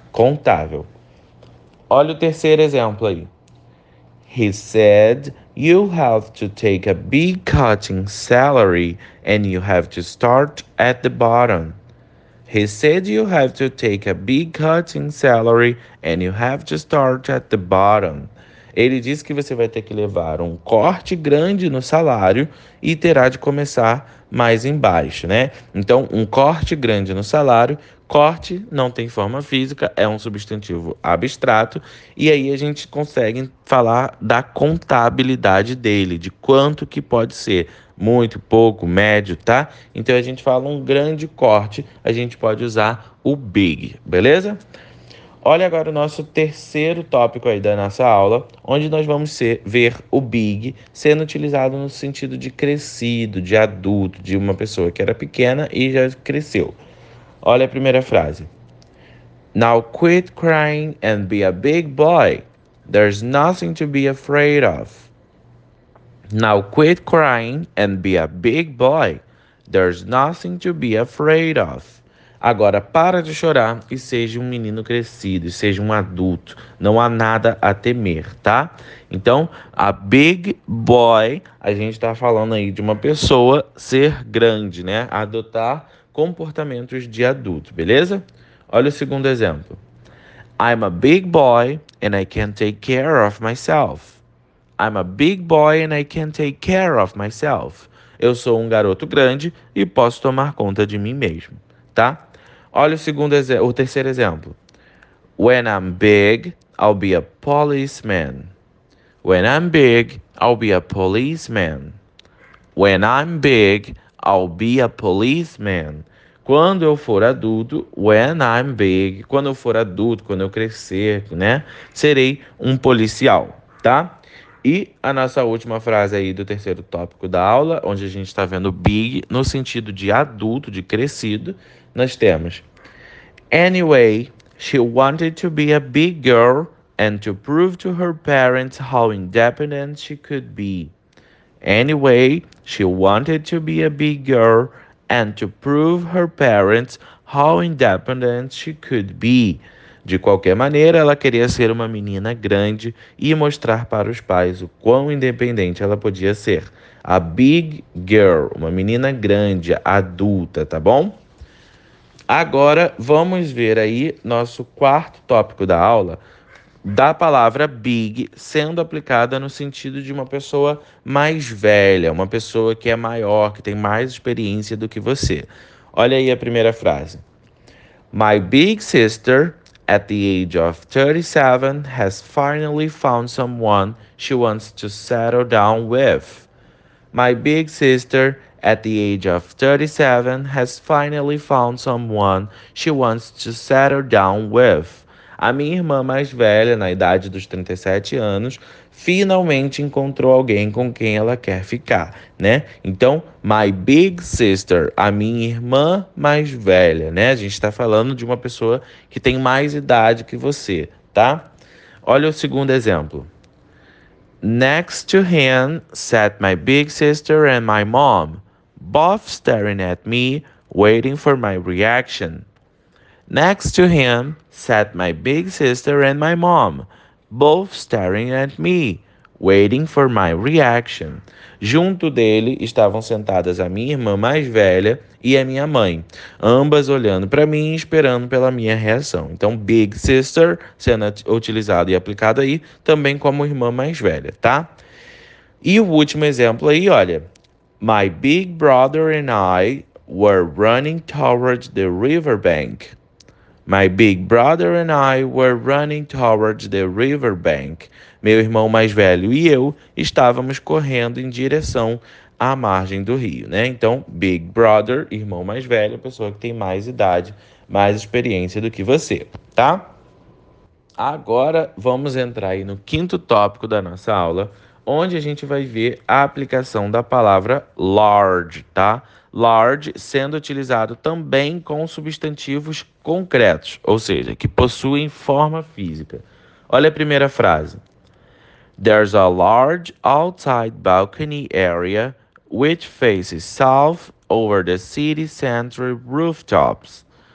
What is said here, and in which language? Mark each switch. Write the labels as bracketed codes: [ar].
[pt] Contável. Olha o terceiro exemplo aí. [en] He said You have to take a big cut in salary and you have to start at the bottom. He said you have to take a big cut in salary and you have to start at the bottom. [pt] Ele disse que você vai ter que levar um corte grande no salário e terá de começar mais embaixo, né? Então, um corte grande no salário. Corte não tem forma física, é um substantivo abstrato, e aí a gente consegue falar da contabilidade dele, de quanto que pode ser, muito, pouco, médio, tá? Então a gente fala um grande corte, a gente pode usar o big, beleza? Olha agora o nosso terceiro tópico aí da nossa aula, onde nós vamos ver o big sendo utilizado no sentido de crescido, de adulto, de uma pessoa que era pequena e já cresceu. Olha a primeira frase. [en] Now quit crying and be a big boy. There's nothing to be afraid of. Now quit crying and be a big boy. There's nothing to be afraid of. [pt] Agora para de chorar e seja um menino crescido, seja um adulto. Não há nada a temer, tá? Então, [en] a big boy, [pt] a gente está falando aí de uma pessoa ser grande, né? Adotar comportamentos de adulto, beleza? Olha o segundo exemplo. [en] I'm a big boy and I can take care of myself. I'm a big boy and I can take care of myself. [pt] Eu sou um garoto grande e posso tomar conta de mim mesmo, tá? Olha o segundo exemplo, o terceiro exemplo. [en] When I'm big, I'll be a policeman. When I'm big, I'll be a policeman. When I'm big, I'll be a policeman. [pt] Quando eu for adulto, [en] when I'm big, [pt] quando eu for adulto, quando eu crescer, né? Serei um policial, tá? E a nossa última frase aí do terceiro tópico da aula, onde a gente está vendo big no sentido de adulto, de crescido, nós temos. [en] Anyway, she wanted to be a big girl and to prove to her parents how independent she could be. Anyway, she wanted to be a big girl and to prove her parents how independent she could be. [pt] De qualquer maneira, ela queria ser uma menina grande e mostrar para os pais o quão independente ela podia ser. [en] A big girl, [pt] uma menina grande, adulta, tá bom? Agora vamos ver aí nosso quarto tópico da aula, da palavra big sendo aplicada no sentido de uma pessoa mais velha, uma pessoa que é maior, que tem mais experiência do que você. Olha aí a primeira frase. [en] My big sister, at the age of 37, has finally found someone she wants to settle down with. My big sister, at the age of 37, has finally found someone she wants to settle down with. [pt] A minha irmã mais velha, na idade dos 37 anos, finalmente encontrou alguém com quem ela quer ficar, né? Então, [en] my big sister, [pt] a minha irmã mais velha, né? A gente está falando de uma pessoa que tem mais idade que você, tá? Olha o segundo exemplo. [en] Next to him sat my big sister and my mom, both staring at me, waiting for my reaction. Next to him sat my big sister and my mom, both staring at me, waiting for my reaction. [pt] Junto dele estavam sentadas a minha irmã mais velha e a minha mãe, ambas olhando para mim e esperando pela minha reação. Então, big sister sendo utilizado e aplicado aí também como irmã mais velha, tá? E o último exemplo aí, olha. [en] My big brother and I were running towards the riverbank. My big brother and I were running towards the riverbank. [pt] Meu irmão mais velho e eu estávamos correndo em direção à margem do rio, né? Então, big brother, irmão mais velho, pessoa que tem mais idade, mais experiência do que você, tá? Agora vamos entrar aí no quinto tópico da nossa aula, onde a gente vai ver a aplicação da palavra large, tá? Large sendo utilizado também com substantivos concretos, ou seja, que possuem forma física. Olha a primeira frase. [en] There's a large outside balcony area which faces south over the city center rooftops.